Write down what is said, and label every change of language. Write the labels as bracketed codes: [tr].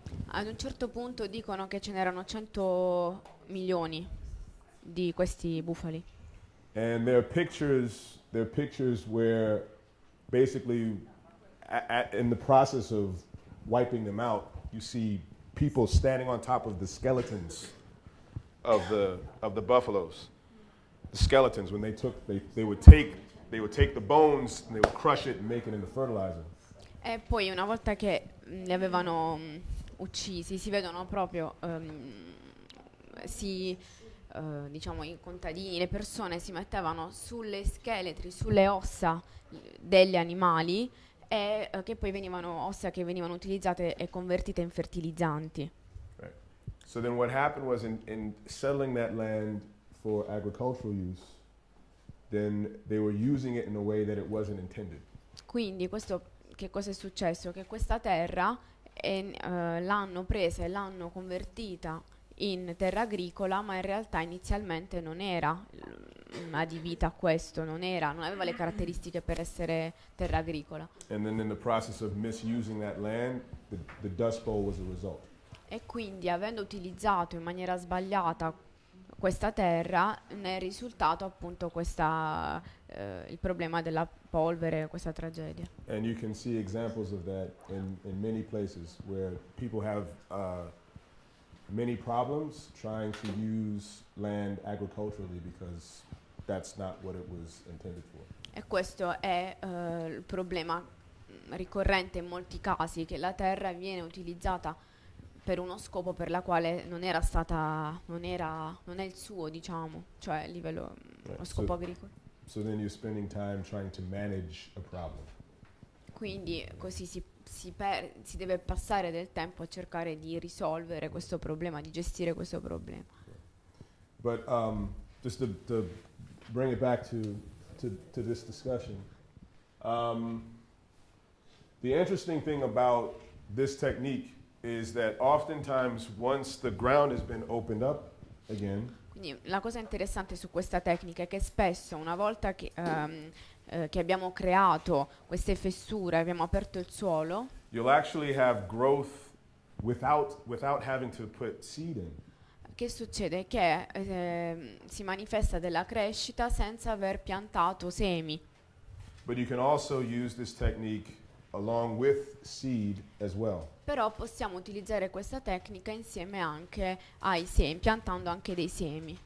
[it] Ad un certo punto dicono che ce n'erano 100 milioni di questi bufali. [en] And there are pictures where basically in the process of wiping them out, you see people standing on top of the skeletons of the buffaloes. The skeletons, when they would take the bones and they would crush it and make it into fertilizer. [it] E poi una volta che li avevano uccisi, si vedono proprio diciamo i contadini, le persone si mettevano sulle scheletri, sulle ossa degli animali e che poi venivano ossa che venivano utilizzate e convertite in fertilizzanti. [en] Right. So then what happened was in settling that land for agricultural use, then they were using it in a way that it wasn't intended. [it] Quindi questo, che cosa è successo? Che questa terra l'hanno presa e l'hanno convertita in terra agricola, ma in realtà inizialmente non era adibita a questo, non aveva le caratteristiche per essere terra agricola. [en] And then in the process of misusing that land, the Dust Bowl was the result. [it] E quindi avendo utilizzato in maniera sbagliata questa terra, ne è risultato appunto il problema della polvere, questa tragedia. [en] And you can see examples of that in many places where people have many problems trying to use land agriculturally because that's not what it was intended for. [it] E questo è il problema ricorrente in molti casi, che la terra viene utilizzata per uno scopo per la quale non è il suo, diciamo, cioè a livello, [en] right, [it] lo scopo agricolo. [en] So then you're spending time trying to manage a problem. [it] Quindi così si deve passare del tempo a cercare di risolvere questo problema, di gestire questo problema. [en] But just to bring it back to this discussion, the interesting thing about this technique is that oftentimes once the ground has been opened up again. [it] La cosa interessante su questa tecnica è che spesso, una volta che abbiamo creato queste fessure, abbiamo aperto il suolo, [en] you'll actually have growth without having to put seed in. [it] Che succede? Che si manifesta della crescita senza aver piantato semi. [en] But you can also use this technique along with seed as well. [it] Però possiamo utilizzare questa tecnica insieme anche ai semi, piantando anche dei semi.